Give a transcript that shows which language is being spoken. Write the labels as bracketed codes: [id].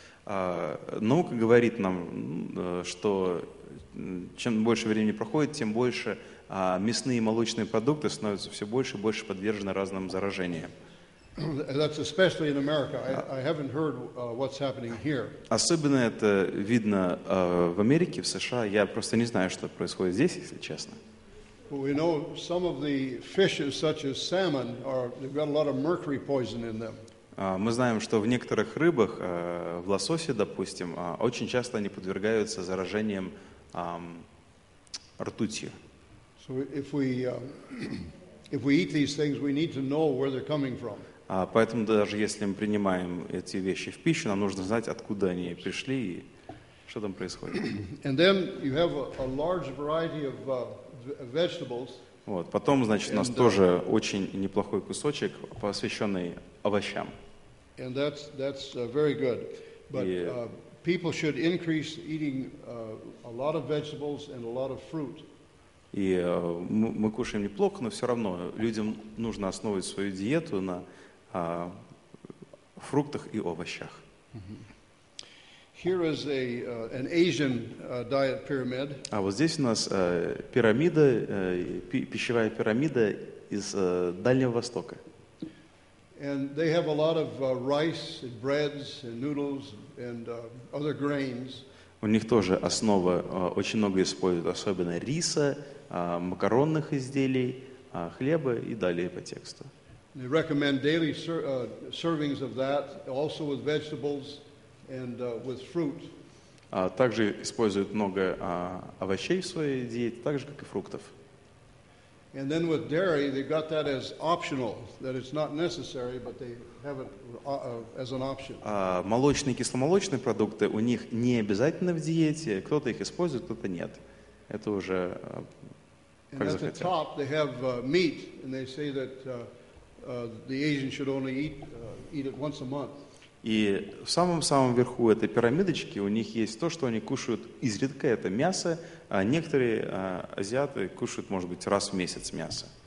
[ru] Наука говорит нам, что чем больше времени проходит, тем больше мясные и молочные продукты становятся все больше и больше подвержены разным заражениям. [en] That's especially in America. I haven't heard what's happening here. [ru] Особенно это видно в Америке, в США. Я просто не знаю, что происходит здесь, если честно. [en] We know some of the fishes, such as salmon, they've got a lot of mercury poison in them. [ru] Мы знаем, что в некоторых рыбах, в лососе, допустим, очень часто они подвергаются заражениям ртутью. [en] So if we eat these things, we need to know where they're coming from. [ru] Поэтому даже если мы принимаем эти вещи в пищу, нам нужно знать, откуда они пришли и что там происходит. [en] And then you have a large variety of vegetables. [ru] Вот. Потом, значит, у нас тоже очень неплохой кусочек, посвященный овощам. [en] And that's very good. But people should increase eating a lot of vegetables and a lot of fruit. [ru] И мы кушаем неплохо, но все равно людям нужно основывать свою диету на фруктах и овощах. [en] Here is an Asian diet pyramid. [ru] А вот здесь у нас пирамида, пищевая пирамида из Дальнего Востока. [en] And they have a lot of rice and breads and noodles and other grains. [ru] У них тоже основа очень много используют, особенно риса, макаронных изделий, хлеба и далее по тексту. [en] They recommend daily servings of that, also with vegetables and with fruit. [ru] Также используют много овощей в своей диете, так же как и фруктов. [en] And then with dairy, they've got that as optional, that it's not necessary, but they have it as an option. [ru] Молочные и кисломолочные продукты у них не обязательно в диете. Кто-то их использует, кто-то нет. Это уже как захотят. [en] And at the top, they have meat, and they say that the Asian should only eat it once a month. [ru] И в самом-самом верху этой пирамидочки у них есть то, что они кушают изредка, это мясо. А некоторые азиаты кушают, может быть, раз в месяц мясо.